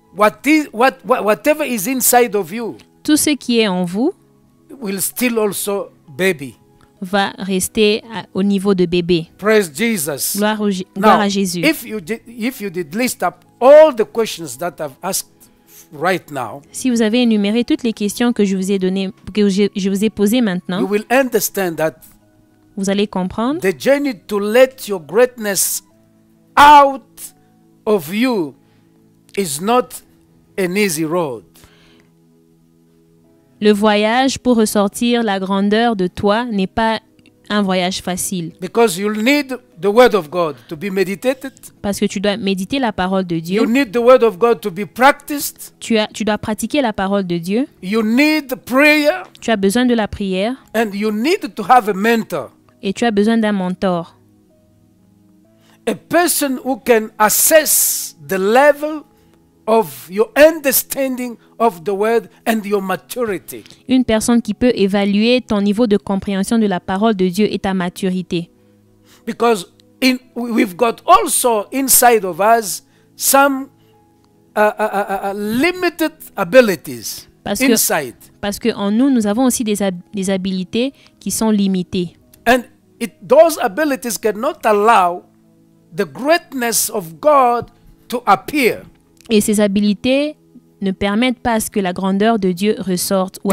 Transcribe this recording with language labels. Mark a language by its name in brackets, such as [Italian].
[English] whatever is inside of you, [French] tout ce qui est en vous [English] will still also baby. [French] Va rester au niveau de bébé. [English] Praise Jesus. [French] Gloire à Jésus. [English] If you did list up all the questions that I've asked right now, [French] si vous avez énuméré toutes les questions que je vous ai données, que je vous ai posées maintenant, [English] you will understand that. [French] Vous allez comprendre. [English] The journey to let your greatness out of you is not an easy road. [French] Le voyage pour ressortir la grandeur de toi n'est pas un voyage facile. [English] Because you need the word of God to be meditated. [French] Parce que tu dois méditer la parole de Dieu. [English] You need the word of God to be practiced. [French] Tu dois pratiquer la parole de Dieu. [English] You need prayer. [French] Tu as besoin de la prière. [English] And you need to have a mentor. [French] Et tu as besoin d'un mentor. [English] A person who can assess the level of your understanding of the word and your maturity. [French] Une personne qui peut évaluer ton niveau de compréhension de la parole de Dieu et ta maturité. [English] Because we've got also inside of us some limited abilities inside. [French] Parce que en nous avons aussi des habiletés qui sont limitées. [English] And those abilities cannot allow the greatness of God to appear. [French] Et ces habiletés ne permettent pas à ce que la grandeur de Dieu ressorte ou